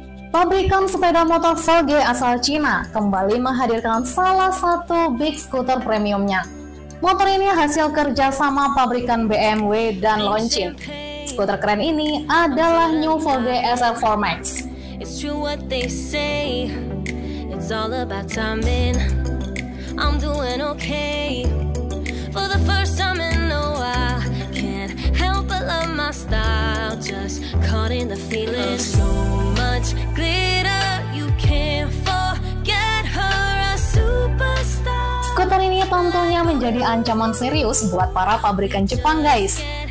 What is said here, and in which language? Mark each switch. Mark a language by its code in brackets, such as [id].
[id] Pabrikan sepeda motor Vogue asal Cina kembali menghadirkan salah satu big scooter premiumnya. Motor ini hasil kerja sama pabrikan BMW dan Longqing. Skuter keren ini adalah New Vogue SR4 Max. [en] It's true what they say, it's all about timing. I'm doing okay, for the first time in a while. Can't help but love my style, just caught in the feeling. So much glitter, you can't forget her, a superstar. [id] Skuter ini tentunya menjadi ancaman serius buat para pabrikan Jepang guys.